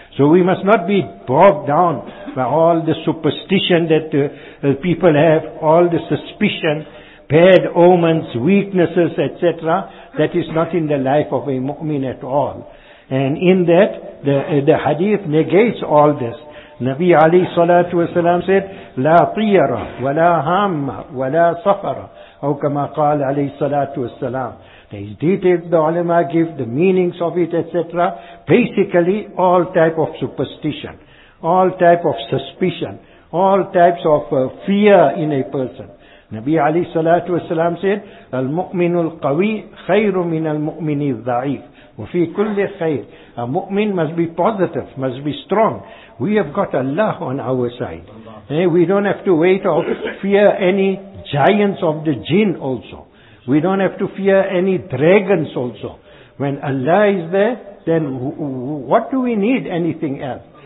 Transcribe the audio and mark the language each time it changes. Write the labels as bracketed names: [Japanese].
[English] So we must not be bogged down by all the superstition that the people have, all the suspicion, bad omens, weaknesses, etc. That is not in the life of a mu'min at all. And in that, the hadith negates all this. Nabi alayhi salatu wasalam said, [Arabic] لا طيرة ولا هام ولا صفر. أو كما قال عليه الصلاة والسلام. [English] The details the ulama give, the meanings of it, etc. Basically, all type of superstition, all type of suspicion, all types of fear in a person. Nabi alayhi salatu wasalam said, [Arabic] المؤمن القوي خير من المؤمن الضعيف. وفي كل خير. [English] A mu'min must be positive, must be strong. We have got Allah on our side. We don't have to wait or fear any giants of the jinn also. We don't have to fear any dragons also. When Allah is there, then what do we need anything else?